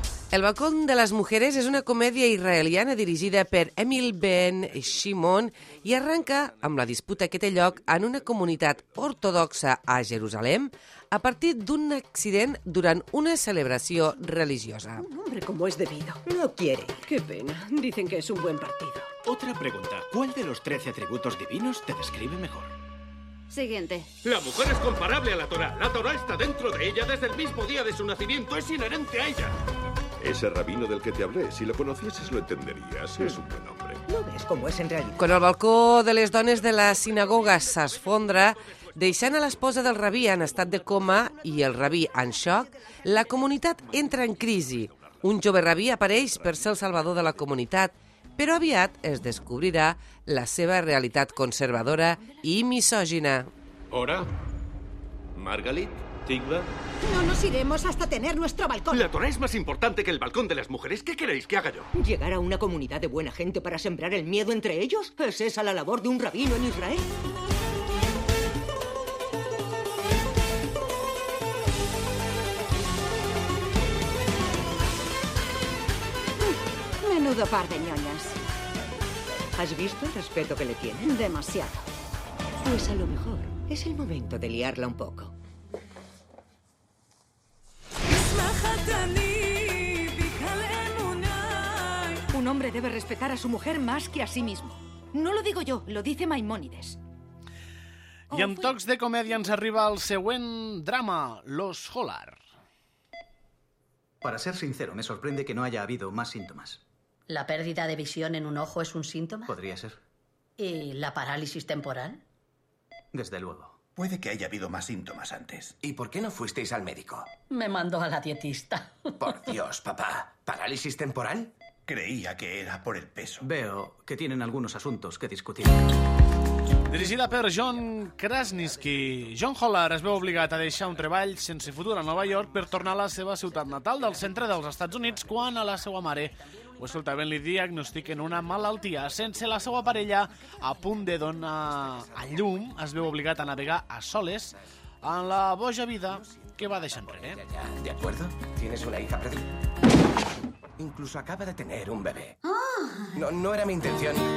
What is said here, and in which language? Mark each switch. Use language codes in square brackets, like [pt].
[ca] El balcón de les mujeres és una comèdia israeliana dirigida per Emil Ben Shimon i arranca amb la disputa que té lloc en una comunitat ortodoxa a Jerusalem a partir d'un accident durant una celebració religiosa. [es] Un hombre como es debido. No quiere. Qué pena. Dicen que es un buen partido. Otra pregunta. ¿Cuál de los 13 atributos divinos te describe mejor? Siguiente. La mujer es comparable a la Torá. La Torá está dentro de ella desde el mismo día de su nacimiento. Es inherente a ella. Ese rabino del que te hablé, si lo conocieses lo entenderías, es un buen hombre. ¿No ves cómo es en realidad? [ca] Quan el balcó de les dones de la sinagoga s'esfondra, deixant a l'esposa del rabí en estat de coma i el rabí en xoc, la comunitat entra en crisi. Un jove rabí apareix per ser el salvador de la comunitat, però aviat es descobrirà la seva realitat conservadora i misògina. Hora? Margalit? Tigla? [es] No nos iremos hasta tener nuestro balcón. La Torá es más importante que el balcón de las mujeres. ¿Qué queréis que haga yo? ¿Llegar a una comunidad de buena gente para sembrar el miedo entre ellos? ¿Es esa la labor de un rabino en Israel? Menudo par de ñoñas. ¿Has visto el respeto que le tienen? Demasiado. Pues a lo mejor es el momento de liarla un poco. Un hombre debe respetar a su mujer más que a sí mismo. No lo digo yo, lo dice Maimónides. [ca] I amb tocs de comèdia ens arriba el següent drama, Los Hollar. [es] Para ser sincero, me sorprende que no haya habido más síntomas. ¿La pérdida de visión en un ojo es un síntoma? Podría ser. ¿Y la parálisis temporal? Desde luego. Puede que haya habido más síntomas antes. ¿Y por qué no fuisteis al médico? Me mandó a la dietista. Por Dios, papá. ¿Parálisis temporal? Creía que era por el peso. Veo que tienen algunos asuntos que discutir. [ca] Dirigida per John Krasinski, John Holler es veu obligat a deixar un treball sense futur a Nova York per tornar a la seva ciutat natal del centre dels Estats Units quan a la seva mare ho escoltaven li diagnostiquen una malaltia. Sense la seva parella a punt de donar a llum, es veu obligat a navegar a soles en la boja vida que va deixar enrere. [es] De acuerdo, tienes una hija perdida. Incluso acaba de tener un bebé. No era mi intención.